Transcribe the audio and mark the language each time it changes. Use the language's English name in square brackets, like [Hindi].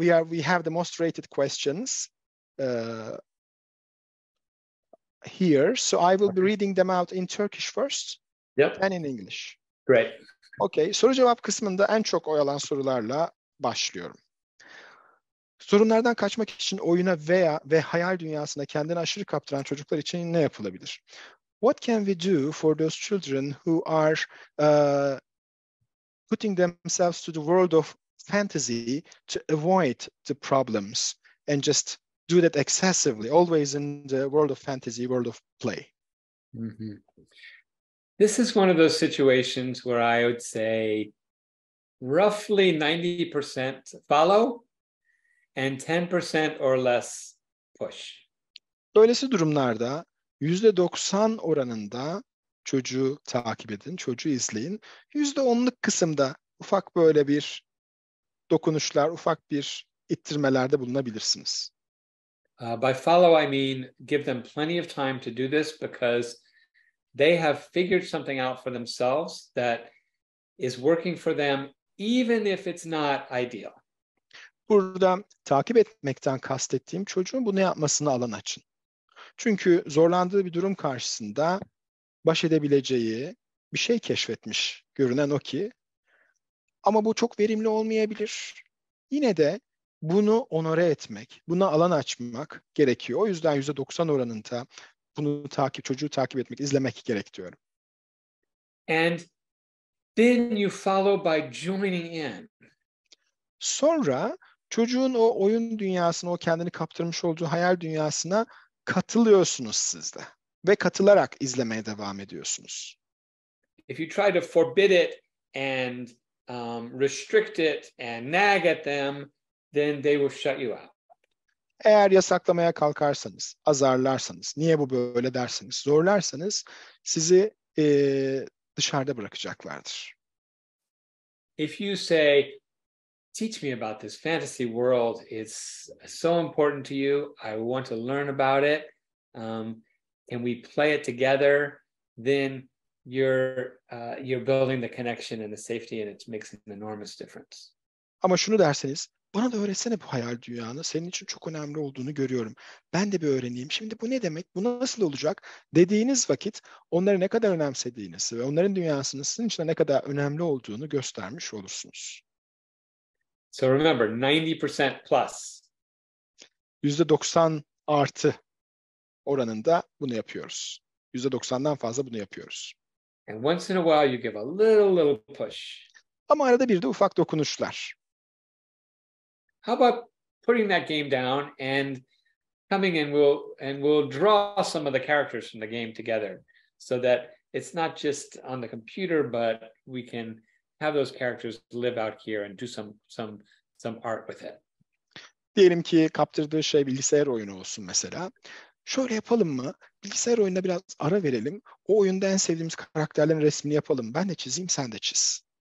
[English] we have the most rated questions. Here, so I will be reading them out in Turkish first, yep, and in English. Great. [Turkish] Okay, soru cevap kısmında en çok oyalan sorularla başlıyorum. Sorunlardan kaçmak için oyuna ve hayal dünyasına kendini aşırı kaptıran çocuklar için ne yapılabilir? [English] What can we do for those children who are putting themselves to the world of fantasy to avoid the problems and just do that excessively, always in the world of fantasy, world of play. Mm-hmm. This is one of those situations where I would say roughly 90% follow and 10% or less push. [Turkish] Böylesi durumlarda %90 oranında çocuğu takip edin, çocuğu izleyin. %10'luk kısımda ufak böyle bir dokunuşlar, ufak bir ittirmelerde bulunabilirsiniz. [English] By follow I mean give them plenty of time to do this because they have figured something out for themselves that is working for them even if it's not ideal. [Turkish] Burada takip etmekten kastettiğim çocuğun bunu yapmasına alan açın. Çünkü zorlandığı bir durum karşısında baş edebileceği bir şey keşfetmiş görünen o ki. Ama bu çok verimli olmayabilir. Yine de bunu onore etmek, buna alan açmak gerekiyor. O yüzden %90 oranında bunu takip, çocuğu takip etmek, izlemek gerek diyorum. [English] And then you follow by joining in. [Turkish] Sonra çocuğun o oyun dünyasına, o kendini kaptırmış olduğu hayal dünyasına katılıyorsunuz siz de. Ve katılarak izlemeye devam ediyorsunuz. [English] If you try to forbid it and restrict it and nag at them, then they will shut you out. [Turkish] Eğer yasaklamaya kalkarsanız, azarlarsanız, niye bu böyle derseniz, zorlarsanız sizi dışarıda bırakacaklardır. [English] If you say, teach me about this fantasy world, it's so important to you, I want to learn about it, can we play it together, then you're building the connection and the safety and it makes an enormous difference. [Turkish] Ama şunu derseniz, bana da öğretsene bu hayal dünyanı, senin için çok önemli olduğunu görüyorum. Ben de bir öğreneyim. Şimdi bu ne demek, bu nasıl olacak dediğiniz vakit onları ne kadar önemsediğinizi ve onların dünyasının sizin için ne kadar önemli olduğunu göstermiş olursunuz. [English] So remember, 90% plus. [Turkish] %90 artı oranında bunu yapıyoruz. %90'dan fazla bunu yapıyoruz. [English] And once in a while you give a little push. [Turkish] Ama arada bir de ufak dokunuşlar. [English] How about putting that game down and coming in, we'll draw some of the characters from the game together so that it's not just on the computer, but we can have those characters live out here and do some art with it. [Turkish] Diyelim ki kaptırdığı şey bilgisayar oyunu olsun mesela. Şöyle yapalım mı? Bilgisayar oyununa biraz ara verelim. O oyunda en sevdiğimiz karakterlerin resmini yapalım. Ben de çizeyim, sen de çiz.